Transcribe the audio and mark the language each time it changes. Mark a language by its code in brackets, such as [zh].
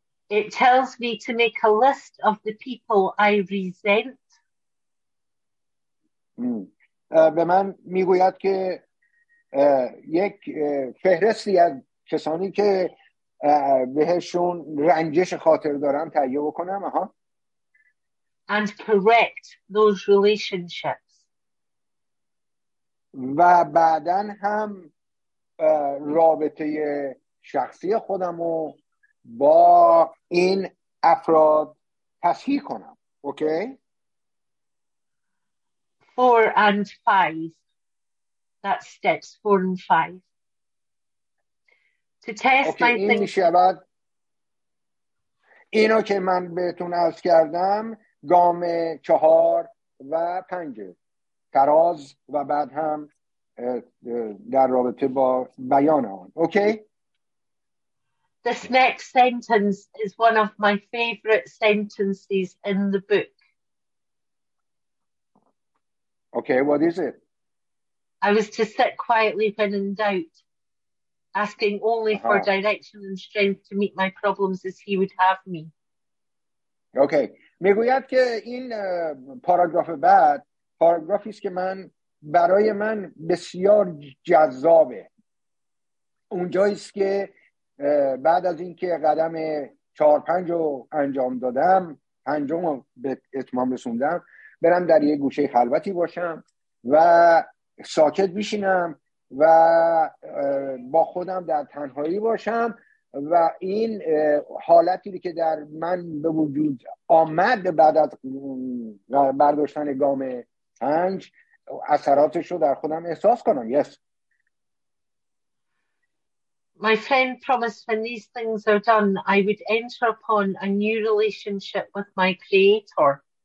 [en] It tells me to make a list of the people I resent. [fa] به من میگوید که یک فهرستی از کسانی که بهشون رنجش خاطر دارم تهیه بکنم ها. And correct those relationships. و بعدن هم رابطه شخصی خودمو با این افراد تصحیح کنم. [en] Okay? 4 and 5. That's steps 4 and 5. To test okay, my thinking. [fa] شود. اینو که من بهتون عرض کردم گام 4 و 5 تراز و بعد هم در رابطه با بیان آن. [en] Okay. This next sentence is one of my favorite sentences in the book. Okay, what is it? I was to sit quietly when in doubt, asking only for direction and strength to meet my problems as he would have me. Okay. [fa] میگوید که این پاراگراف بعد پاراگرافی است که من برای من بسیار جذابه. اونجایی است که بعد از اینکه قدم 4-5 رو انجام دادم، 5 رو به اتمام رسوندم، برم در یه گوشه خلوتی باشم و ساکت بشینم و با خودم در تنهایی باشم و این حالتی که در من به وجود آمد بعد از برداشتن گام 5 اثراتش رو در خودم احساس کنم. [en] Yes. My friend promised when these things are done, I would enter upon a new relationship with my creator.